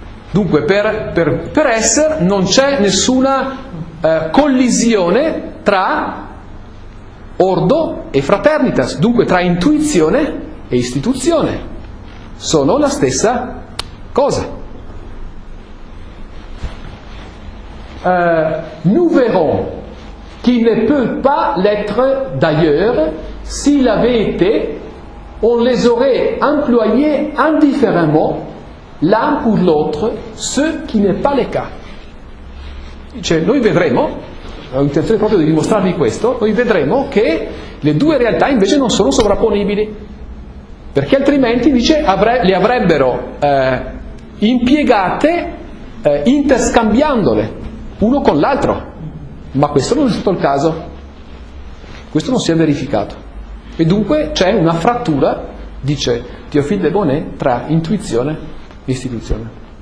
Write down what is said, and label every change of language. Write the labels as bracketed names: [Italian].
[Italian] Dunque, per Esser non c'è nessuna collisione tra ordo e fraternitas, dunque tra intuizione e istituzione, sono la stessa cosa. [French] Nous verrons qu'il ne peut pas l'être d'ailleurs, s'il avait été, on les aurait employés indifféremment, l'un pour l'autre, ce qui n'est pas le cas. [Italian] Cioè, noi vedremo, ho intenzione proprio di dimostrarvi questo, noi vedremo che le due realtà invece non sono sovrapponibili, perché altrimenti, dice, le avrebbero impiegate interscambiandole uno con l'altro, ma questo non è stato il caso, questo non si è verificato, e dunque c'è una frattura, dice Théophile de Bonnet, tra intuizione e istituzione.